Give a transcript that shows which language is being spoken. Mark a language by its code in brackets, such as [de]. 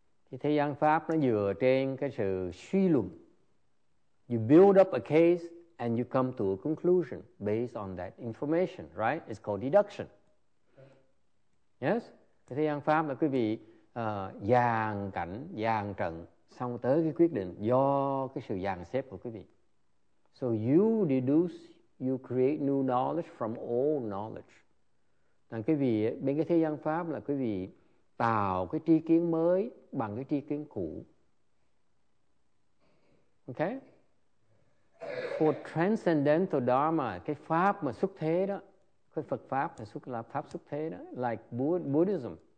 [vi] Thì thế gian pháp nó dựa trên cái sự suy luận. [en] You build up a case and you come to a conclusion based on that information, right? It's called deduction. Yes? [vi] Cái thế gian pháp là quý vị dàn cảnh, dàn trận, xong tới cái quyết định do cái sự dàn xếp của quý vị. [en] So you deduce, you create new knowledge from old knowledge. [vi] Thằng quý vị, bên cái thế gian pháp là quý vị tạo cái tri kiến mới bằng cái tri kiến cũ. [en] Okay? For transcendental dharma, [vi] cái pháp mà xuất thế đó, cái Phật pháp là pháp xuất thế đó, [en] like Buddhism.